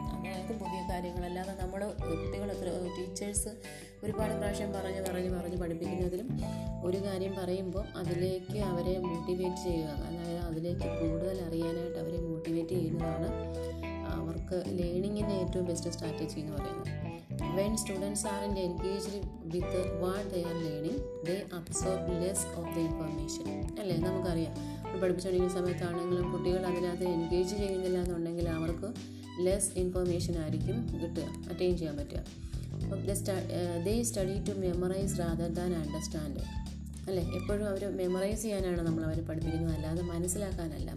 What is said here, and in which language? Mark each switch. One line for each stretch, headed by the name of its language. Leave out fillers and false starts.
Malayalam: അതായത് പുതിയ കാര്യങ്ങളല്ലാതെ നമ്മൾ കുട്ടികളത്ര ടീച്ചേഴ്സ് ഒരുപാട് പ്രാവശ്യം പറഞ്ഞ് പറഞ്ഞ് പറഞ്ഞ് പഠിപ്പിക്കുന്നതിലും ഒരു കാര്യം പറയുമ്പോൾ അതിലേക്ക് അവരെ മോട്ടിവേറ്റ് ചെയ്യുക, അതായത് അതിലേക്ക് കൂടുതൽ അറിയാനായിട്ട് അവരെ മോട്ടിവേറ്റ് ചെയ്യുന്നതാണ് അവർക്ക് ലേണിങ്ങിൻ്റെ ഏറ്റവും ബെസ്റ്റ് സ്ട്രാറ്റജി എന്ന് പറയുന്നത്.
English: when students aren't engaged with what they are learning, they absorb less of the information.
Malayalam: അല്ലേ, നമുക്കറിയാം ഇപ്പോൾ പഠിപ്പിച്ചുകൊണ്ടിരിക്കുന്ന സമയത്താണെങ്കിലും കുട്ടികൾ അതിനകത്ത് എൻഗേജ് ചെയ്യുന്നില്ല എന്നുണ്ടെങ്കിൽ അവർക്ക് ലെസ് ഇൻഫർമേഷൻ ആയിരിക്കും കിട്ടുക, അറ്റൈൻ ചെയ്യാൻ പറ്റുക.
English: അപ്പോൾ they study to memorise rather than understand.
Malayalam: അല്ലേ, എപ്പോഴും അവർ മെമ്മറൈസ് ചെയ്യാനാണ് നമ്മൾ അവരെ പഠിപ്പിക്കുന്നത്, അല്ലാതെ മനസ്സിലാക്കാനല്ല.